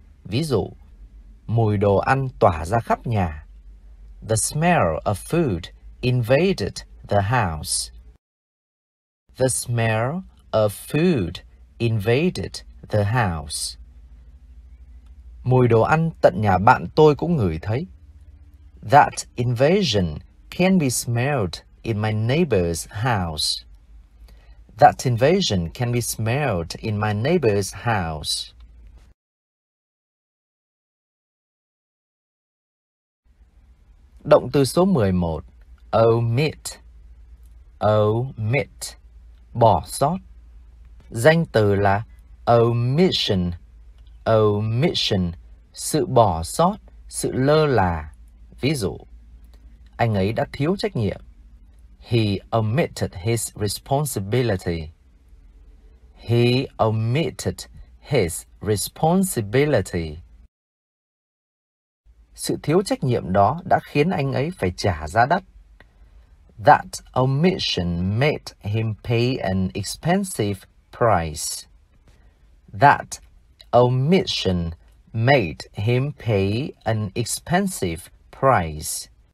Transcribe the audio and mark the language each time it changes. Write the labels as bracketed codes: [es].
[vi] Ví dụ, mùi đồ ăn tỏa ra khắp nhà. [en] The smell of food invaded the house. The smell of food invaded the house. [vi] Mùi đồ ăn tận nhà bạn tôi cũng ngửi thấy. [en] That invasion can be smelled in my neighbor's house. That invasion can be smelled in my neighbor's house. [vi] Động từ số 11. Omit. [en] Omit. [vi] Bỏ sót. Danh từ là omission. [en] Omission. [vi] Sự bỏ sót, sự lơ là. Ví dụ, anh ấy đã thiếu trách nhiệm. [en] He omitted his responsibility. He omitted his responsibility. [vi] Sự thiếu trách nhiệm đó đã khiến anh ấy phải trả giá đắt. [en] That omission made him pay an expensive price. That omission made him pay an expensive price.